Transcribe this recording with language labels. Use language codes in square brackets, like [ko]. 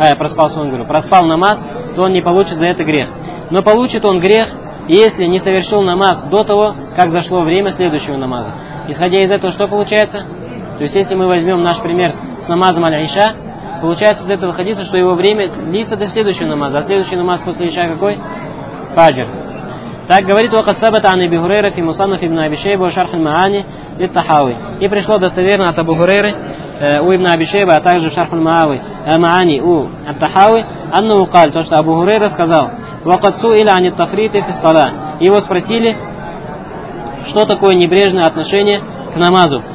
[ru] Проспал намаз, то он не получит за это грех. Но получит он грех, если не совершил намаз до того, как зашло время следующего намаза. Исходя из этого, что получается? То есть, если мы возьмем наш пример с намазом аль-иша, получается из этого хадиса, что его время длится до следующего намаза. А следующий намаз после иша какой? Фаджр. Так говорит [ar] وقد ثبت عن أبي هريرة في مصنف ابن أبي شيبة وشرح المعاني للطحاوي. [ru] И пришло достоверно от Абу Хурейры у Ибн Аби Шейбы, а также шарх аль-Маави, маани у ат-Тахави, анну каль, то что Абу Хурейра сказал: [ar] وقد سئل عن التفريط في الصلاة. [ru] Его спросили, что такое небрежное отношение к намазу.